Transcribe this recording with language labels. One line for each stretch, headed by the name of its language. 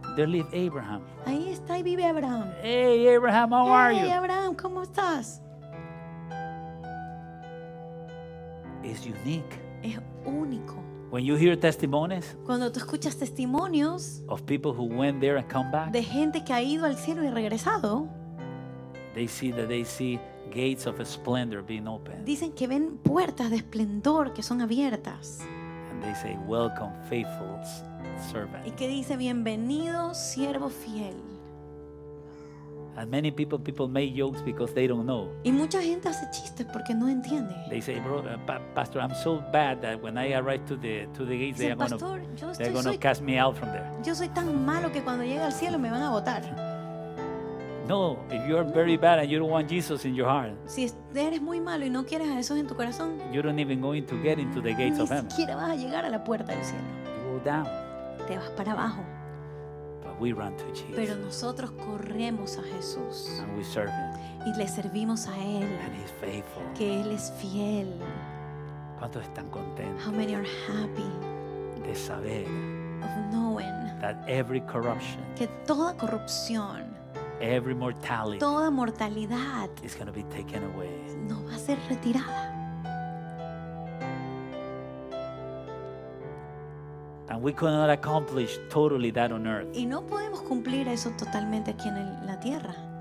English: There live Abraham.
Spanish: Ahí está y vive Abraham.
English: Hey Abraham, how are you?
Spanish: Hey Abraham, ¿cómo estás?
English: It's unique.
Spanish: Es único.
English: When you hear testimonies,
Spanish: cuando tú escuchas testimonios
English: of people who went there and come back,
Spanish: de gente que ha ido al cielo y regresado,
English: they see that they see gates of splendor being opened.
Spanish: Dicen que ven puertas de esplendor que son abiertas.
English: And they say, "Welcome, faithful servant."
Spanish: Y que dice, "Bienvenido, siervo fiel."
English: And many people make jokes because they don't know.
Spanish: Y mucha gente hace chistes porque no entiende.
English: They say, "Bro, pastor, I'm so bad that when I arrive to the gates,
Spanish: dicen,
English: they're gonna cast me out from there."
Spanish: Yo soy tan malo que cuando llegue al cielo me van a botar.
English: No, if you're very bad and you don't want Jesus in your heart,
Spanish: si eres muy malo y no quieres a Jesús en tu corazón,
English: you don't even going to get into the gates of heaven.
Spanish: Ni siquiera vas a llegar a la puerta del cielo.
English: You go down.
Spanish: Te vas para abajo.
English: We run to Jesus.
Spanish: Pero nosotros corremos a Jesús.
English: And we serve him.
Spanish: Y le servimos a él.
English: And he's faithful.
Spanish: Que él es fiel. ¿Cuántos están contentos?
English: How many are happy?
Spanish: De saber.
English: Of knowing. That every corruption.
Spanish: Que toda corrupción.
English: Every mortality.
Spanish: Toda mortalidad.
English: Is going to be taken away.
Spanish: No va a ser retirada.
English: And we could not accomplish totally that on earth.
Spanish: Y no podemos cumplir eso totalmente aquí en la tierra.